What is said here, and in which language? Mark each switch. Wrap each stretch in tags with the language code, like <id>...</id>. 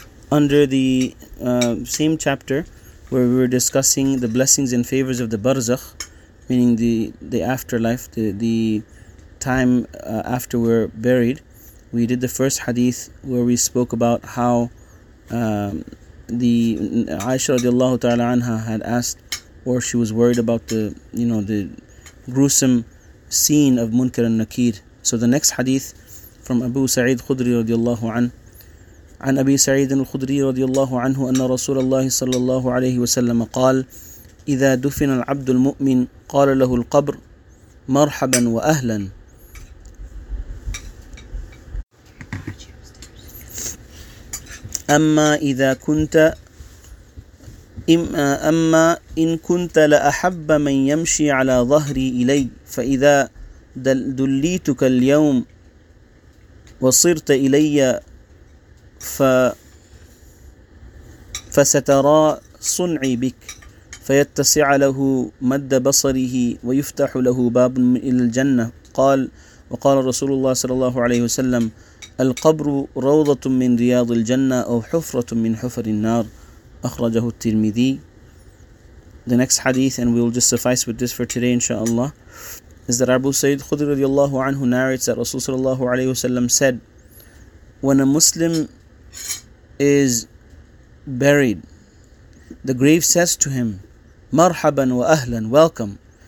<en>Under the same chapter where we were discussing the blessings and favors of the barzakh, meaning the afterlife, the time after we're buried, we did the first hadith where we spoke about how the Aisha radiallahu ta'ala anha had asked, or she was worried about the, you know, the gruesome scene of Munkar and Nakir. So the next hadith from Abu Sa'id Khudri radiallahu anhu,</en> <ar>عن أبي سعيد الخدري رضي الله عنه أن رسول الله صلى الله عليه وسلم قال إذا دفن العبد المؤمن قال له القبر مرحبا وأهلا. أما إذا كنت أما إن كنت لأحب من يمشي على ظهري إلي فإذا دليتك اليوم وصرت إلي فسترى صنعي بك فيتسع له مد بصره ويفتح له باب إلى الجنة. قال وقال رسول الله صلى الله عليه وسلم القبر روضة من رياض الجنة أو حفرة من حفر النار. أخرجه الترمذي.</ar> <en>The next hadith, and we will just suffice with this for today inshallah, is that Abu Sayyid Khudri radiallahu anhu narrates that Rasul sallallahu alayhi wasallam said, when a Muslim is buried, the grave says to him,</en> <ar>مرحبًا وأهلًا,</ar> <en>welcome.</en>